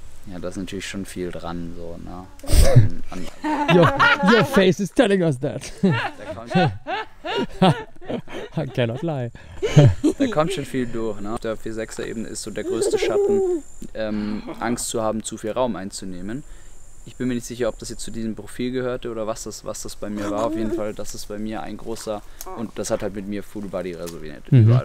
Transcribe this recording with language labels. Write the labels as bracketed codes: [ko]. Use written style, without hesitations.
[de] Ja, da ist natürlich schon viel dran, so, ne? [en] Your face is telling us that. I cannot lie. [de] Da kommt schon viel durch, ne? Auf der 4-6er Ebene ist so der größte Schatten, Angst zu haben, zu viel Raum einzunehmen. Ich bin mir nicht sicher, ob das jetzt zu diesem Profil gehörte oder was das bei mir war. Auf jeden Fall, das ist bei mir ein großer, und das hat halt mit mir [en] Full Body [de] resoniert überall.